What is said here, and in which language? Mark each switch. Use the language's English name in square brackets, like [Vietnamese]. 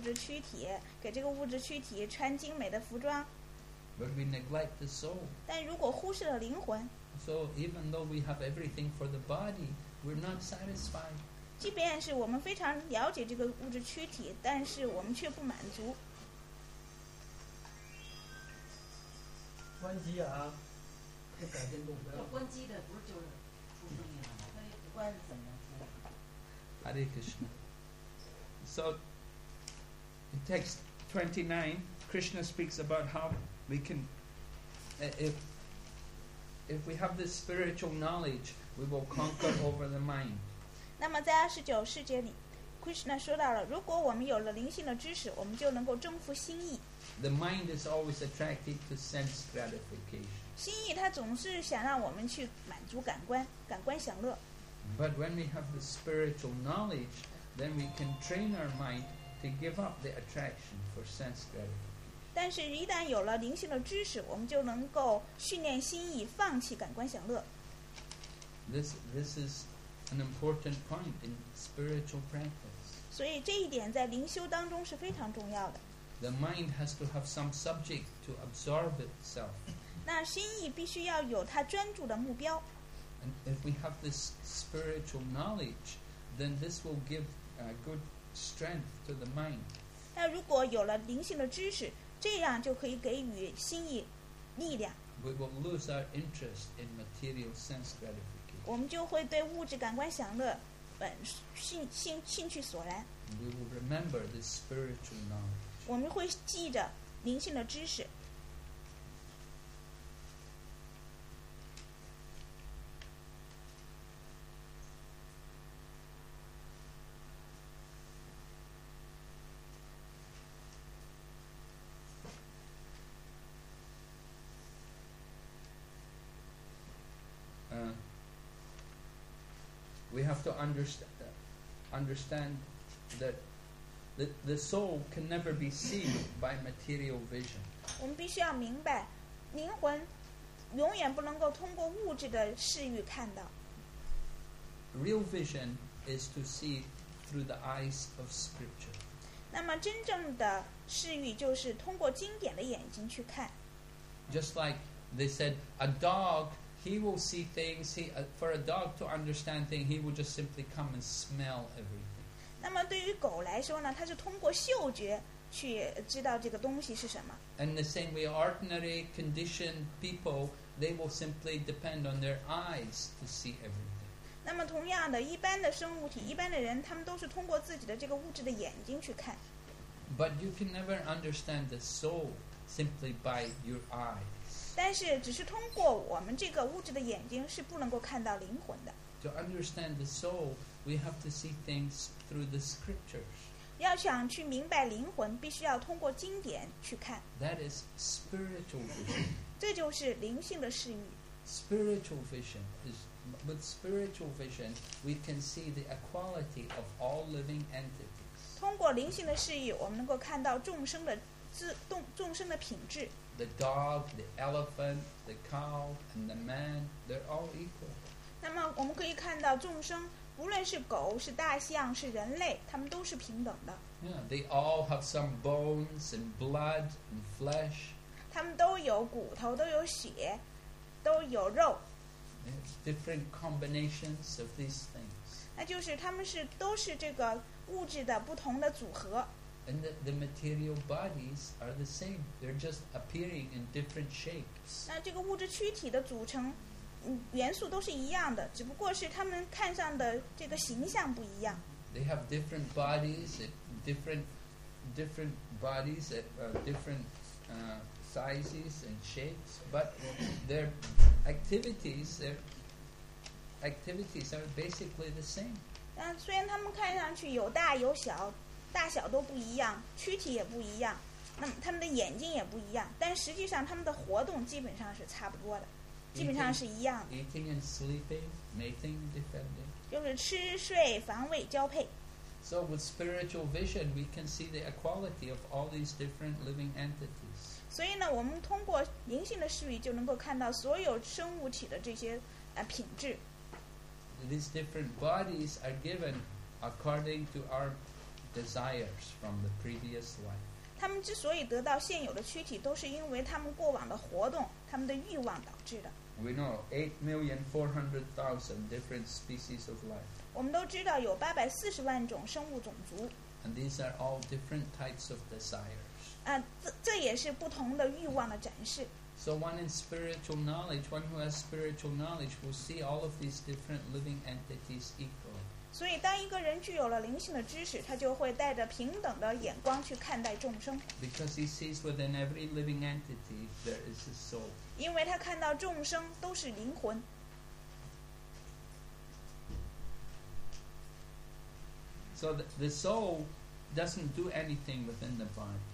[Chinese] 同样的，如果我们装饰这个物质躯体，给这个物质躯体穿精美的服装。 [English] But we neglect the soul. [Chinese] 但如果忽视了灵魂。 [English] So even though we have everything for the body, we're not satisfied. [Chinese] 即便是我们非常了解这个物质躯体，但是我们却不满足。 [English] Hare Krishna. So in text 29, Krishna speaks about how we can if we have this spiritual knowledge, we will conquer over the mind. [Chinese] 那么在29世界里，Krishna 说到了，如果我们有了灵性的知识，我们就能够征服心意。 [English] The mind is always attracted to sense gratification. [Chinese] 心意它总是想让我们去满足感官，感官享乐。 [English] But when we have the spiritual knowledge, then we can train our mind to give up the attraction for sense gratification. [Chinese] 但是，一旦有了灵性的知识，我们就能够训练心意放弃感官享乐。 [English] This is an important point in spiritual practice. [Chinese] 所以这一点在灵修当中是非常重要的。 [English] The mind has to have some subject to absorb itself. [Chinese] 那心意必须要有它专注的目标。 [English] And if we have this spiritual knowledge, then this will give good strength to the mind. [Chinese] 那如果有了灵性的知识，这样就可以给予心意力量。 [English] We will lose our interest in material sense gratification. [Chinese] 我们就会对物质感官享乐兴趣索然。 [English] We will remember this spiritual knowledge. [Chinese] 我们会记着灵性的知识。 [English] We have to understand that. The soul can never be seen by material vision. [Chinese] 我们必须要明白，灵魂永远不能够通过物质的视域看到。 [English] Real vision is to see through the eyes of Scripture. [Chinese] 那么真正的视域就是通过经典的眼睛去看。 [English] Just like they said, a dog, he will see things. For a dog to understand things, he will just simply come and smell everything. [Chinese] 那么对于狗来说呢，它是通过嗅觉去知道这个东西是什么。 [English] And the same way, ordinary conditioned people, they will simply depend on their eyes to see everything. [Chinese] 那么同样的，一般的生物体，一般的人，他们都是通过自己的这个物质的眼睛去看。 [English] But you can never understand the soul simply by your eyes. [Chinese] 但是只是通过我们这个物质的眼睛是不能够看到灵魂的。 [English] To understand the soul, we have to see things. Through the scriptures, [Chinese] 要想去明白灵魂，必须要通过经典去看。 [English] That is spiritual vision. [Chinese] 这就是灵性的视域。 [English] Spiritual vision is, with spiritual vision, we can see the equality of all living entities. [Chinese] 通过灵性的视域，我们能够看到众生的众生的品质。 [English] The dog, the elephant, the cow, and the man—they're all equal. [Chinese] 那么我们可以看到众生。无论是狗是大象是人类他们都是平等的 [English] yeah, they all have some bones and blood and flesh [Chinese] 他们都有骨头都有血都有肉 [English] different combinations of these things [Chinese] 那就是他们是都是这个物质的不同的组合 [English] and the material bodies are the same they're just appearing in different shapes [Chinese] 那这个物质躯体的组成元素都是一样的只不过是他们看上的这个形象不一样 [English] they have different bodies different bodies at different sizes and shapes but their activities are basically the same [Chinese] 但虽然他们看上去有大有小大小都不一样躯体也不一样那么他们的眼睛也不一样但实际上他们的活动基本上是差不多的基本上是一样的 [English] eating and sleeping, mating, defending. [Chinese] 就是吃睡防卫交配 [English] So with spiritual vision we can see the equality of all these different living entities [Chinese] 所以呢我们通过灵性的视域就能够看到所有生物体的这些品质 [English] These different bodies are given according to our desires from the previous life [Chinese] 他们之所以得到现有的躯体都是因为他们过往的活动他们的欲望导致的 [English] We know 8,400,000 different species of life [Chinese] 我们都知道有840万种生物种族 [English] And these are all different types of desires [Chinese] 这也是不同的欲望的展示 [English] So one in spiritual knowledge One who has spiritual knowledge Will see all of these different living entities equally [Chinese] 所以当一个人具有了灵性的知识他就会带着平等的眼光去看待众生 [English] Because he sees within every living entity There is a soul [Chinese] 因为他看到众生都是灵魂 [English] So the soul doesn't do anything within the body